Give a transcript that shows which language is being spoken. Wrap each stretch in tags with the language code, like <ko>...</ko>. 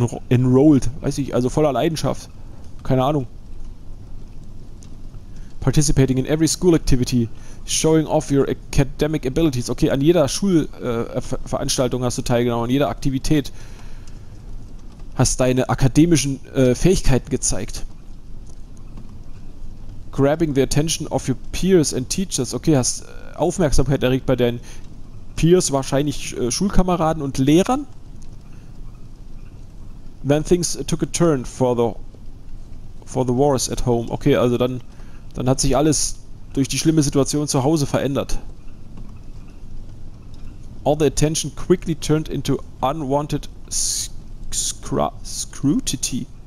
<de>Enrolled, weiß ich, also voller Leidenschaft. Keine Ahnung.</de> <en>Participating in every school activity. showing off your academic abilities.</en> <de>Okay, an jeder Schulveranstaltung hast du teilgenommen, an jeder Aktivität hast deine akademischen Fähigkeiten gezeigt.</de> <en>Grabbing the attention of your peers and teachers.</en> <de>Okay, hast Aufmerksamkeit erregt bei deinen Peers, wahrscheinlich Schulkameraden und Lehrern.</de> <en>Then things took a turn for the worse at home.</en> <de>Okay, also dann hat sich alles durch die schlimme Situation zu Hause verändert.</de> <en>All the attention quickly turned into unwanted scrutiny.</en>